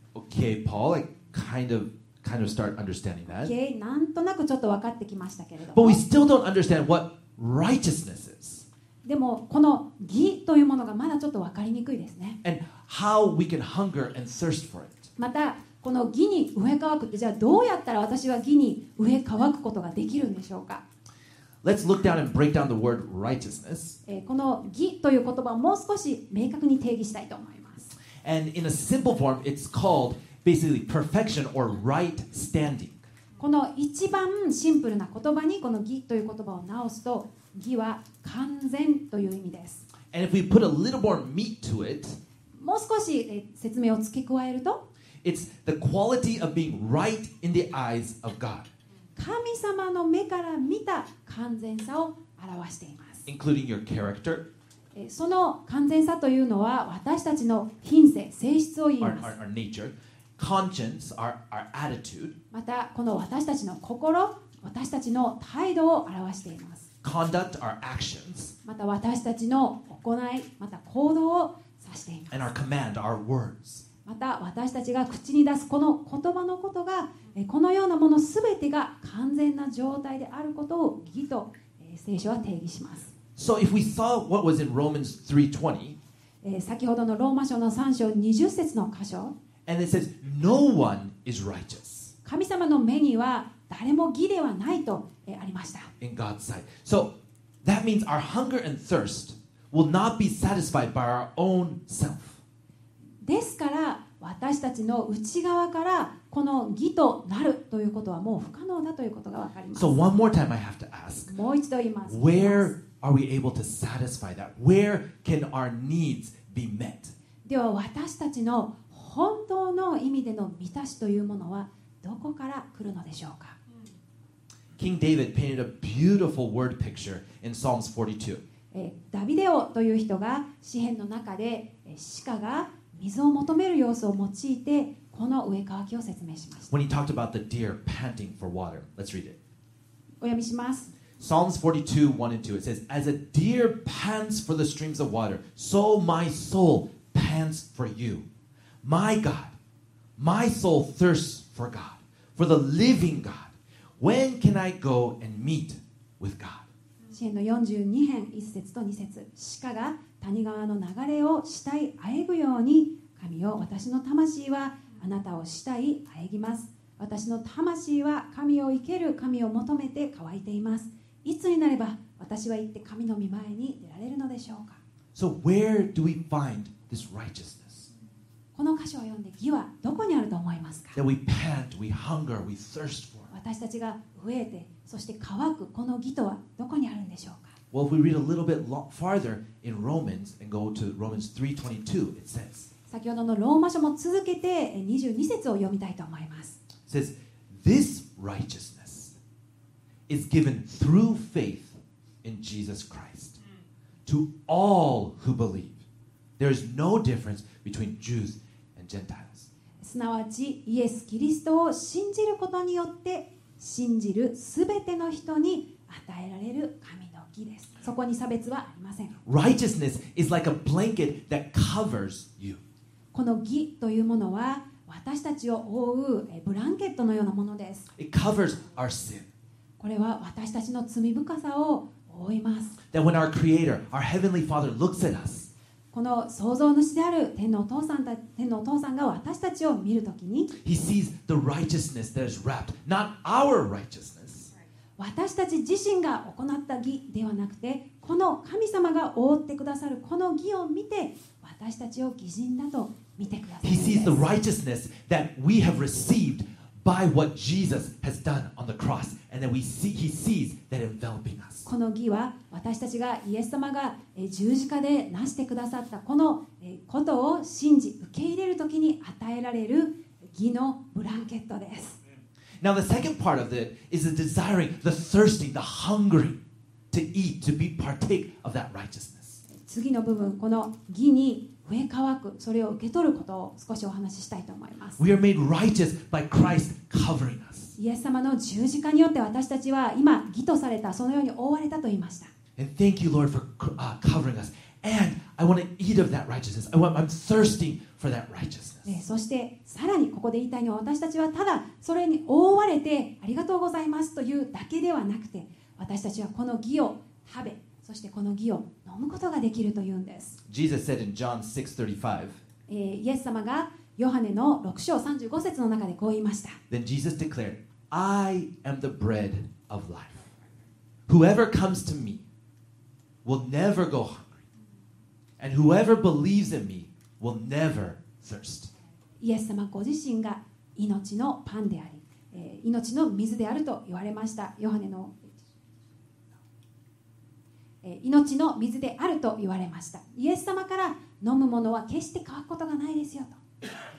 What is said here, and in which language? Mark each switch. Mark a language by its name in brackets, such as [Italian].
[English] Okay, Paul, I kind of start understanding that. [Japanese] Okay, なんとなくちょっと分かってきましたけれども [English] 。But we still don't understand what righteousness is. [Japanese] でもこの義というものがまだちょっと分かりにくいですね。 [English] And how we can hunger and thirst for it. [Japanese] またこの義に飢え渇くってじゃあどうやったら私は義に飢え渇くことができるんでしょうか。 [English] Let's look down and break down the word righteousness. [Japanese] この義という言葉をもう少し明確に定義したいと思います。 [English] And in a simple form, it's called basically perfection or right standing. [Japanese] この一番シンプルな言葉にこの義という言葉を直すと義は完全という意味です。 [English] And if we put a little more meat to it, [Japanese] もう少し説明を付け加えると、 [English] It's the quality of being right in the eyes of God. [Japanese] 神様の目から見た完全さを表しています。 [English] Including your character. [Japanese] その完全さというのは私たちの品性、性質を言います。 [English] Our nature, conscience, our attitude. [Japanese] またこの私たちの心、私たちの態度を表しています。 [English] Conduct our actions. [Japanese] また私たちの行い、また行動を指しています。 [English] And our command, our words. [Japanese] また私たちが口に出すこの言葉のことが、このようなものすべてが完全な状態であることを義と、聖書は定義します。 [English] So if we saw what was in Romans 3:20, [Japanese] 先ほどのローマ書の3章20節の箇所、 [English] And it says, "No one is righteous." [Japanese] 神様の目には誰も義ではないと、ありました。 [English] In God's sight. So that means our hunger and thirst will not be satisfied by our own self. [Japanese] ですから私たちの内側からこの義となるということはもう不可能だということがわかります。 [English] So one more time I have to ask. [Japanese] もう一度言います。 [English] Where are we able to satisfy that? Where can our needs be met? [Japanese] では私たちの本当の意味での満たしというものはどこから来るのでしょうか。 [English] King David painted a beautiful word picture in Psalms 42. [Japanese] ダビデオという人が詩篇の中で鹿が水を求める様子を用いてこの飢え渇きを説明しました。 [English] When he talked about the deer panting for water, let's read it. [Japanese] お読みします。 [English] Psalms 42:1-2. It says, "As a deer pants for the streams of water, so my soul pants for you, my God. My soul thirsts for God, for the living God." When can I go and meet with God? [Japanese] 詩篇の42編1節と2節、鹿が谷川の流れを慕い喘ぐように、神よ、私の魂はあなたを慕い喘ぎます。私の魂は神を生ける神を求めて渇いています。いつになれば私は行って神の御前に出られるのでしょうか。 [English] So where do we find this righteousness? [Japanese] この箇所を読んで義はどこにあると思いますか? [English] That we pant, we hunger, we thirst for. [Japanese] 私たちが飢えてそして渇くこの義とはどこにあるんでしょうか。 [English] Well, if we read a little bit farther in Romans and go to Romans 3:22, it says, [Japanese] 先ほどのローマ書も続けて22節を読みたいと思います。 [English] It says, "This righteousness is given through faith in Jesus Christ to all who believe. There is no difference between Jews and Gentiles." [Japanese] すなわちイエス・キリストを信じることによって信じるすべての人に与えられる神の義です。そこに差別はありません。 [English] Righteousness is like a blanket that covers you. [Japanese] この義というものは私たちを覆うブランケットのようなものです。 [English] It covers our sin. [Japanese] これは私たちの罪深さを覆います。 [English] That when our Creator, our Heavenly Father looks at us, [Japanese] この創造主である天のお父さんた天のお父さんが私たちを見るときに、 [English] He sees the righteousness that is wrapped, not our righteousness. [Japanese] 私たち自身が行った義ではなくて、この神様が覆ってくださるこの義を見て、私たちを義人だと見てくださる。 [English] He sees the righteousness that we have received by what Jesus has done on the cross, and then we see, he sees that enveloping us. [Japanese] この義は私たちがイエス様が十字架で成してくださったこのことを信じ受け入れるときに与えられる義のブランケットです。 [English] Now the second part of it is the desiring, the thirsting, the hungering to eat, to be partake of that righteousness. [Japanese] 次の部分、この義に飢え渇く、それを受け取ることを少しお話ししたいと思います。 [English] We are made righteous by Christ covering us. [Japanese] イエス様の十字架によって私たちは今義とされた、そのように覆われたと言いました。 [English] And thank you, Lord, for covering us. And I want to eat of that righteousness. I'm thirsting for that righteousness. [Japanese] そしてさらにここで言いたいのは、私たちはただそれに覆われてありがとうございますというだけではなくて、私たちはこの義を食べ、そしてこの義を飲むことができるというんです。 [English] Jesus said in John 6:35、 [Japanese] イエス様がヨハネの6章35節の中でこう言いました。 [English] Then Jesus declared, I am the bread of life. Whoever comes to me will never go hungry. And whoever believes in me will never thirst. [Japanese] イエス様ご自身が命のパンであり、命の水であると言われました。ヨハネの、命の水であると言われました。イエス様から飲むものは決して乾くことがないですよと。